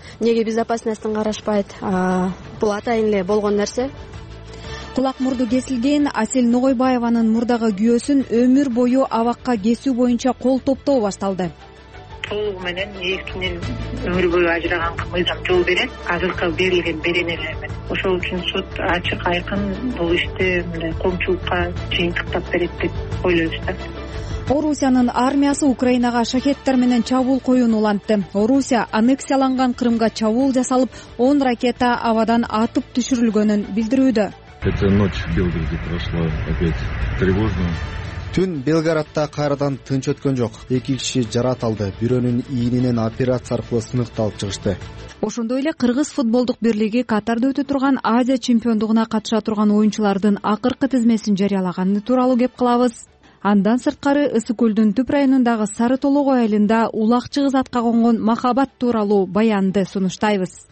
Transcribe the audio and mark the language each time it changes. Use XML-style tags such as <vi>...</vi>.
<ky>Неге безопасностун карашпайт? Бул атайын эле болгон нерсе. Кулак мурду кесилген Асель Ногойбаеванын мурдагы күйөөсүн өмүр бою абакка кесүү боюнча кол топтоо башталды. Толугу менен эркинен өмүр бою ажыраганга мыйзам жол берет. Азыркы берилген беренелер менен. Ошол үчүн сот ачык айкын бул иште коомчулукка жыйынтыктап берет деп ойлойбуз да. Орусиянын армиясы Украинага шакеттер менен чабуул коюуну улантты. Орусия аннексияланган Крымга чабуул жасалып, 10 ракета абадан атып түшүрүлгөнүн билдирүүдө.</ky> <ru>Эта ночь в Белгороде прошла опять тревожно.</ru> <ky>Түн Белгородда кайрадан тынч өткөн жок. Эки киши жараат алды, бирөөнүн ийнинен операция аркылуу сыныкталып чыгышты. Ошондой эле Кыргыз футболдук бирлиги Катарда өтө турган Азия чемпиондугуна катыша турган оюнчулардын акыркы тизмесин жарыялаганы тууралуу кеп кылабыз. Андан сырткары Ысык Көлдүн түп районундагы Сары Толугой айылында улакчы затка конгон махабат тууралуу баянды сунуштайбыз.</ky>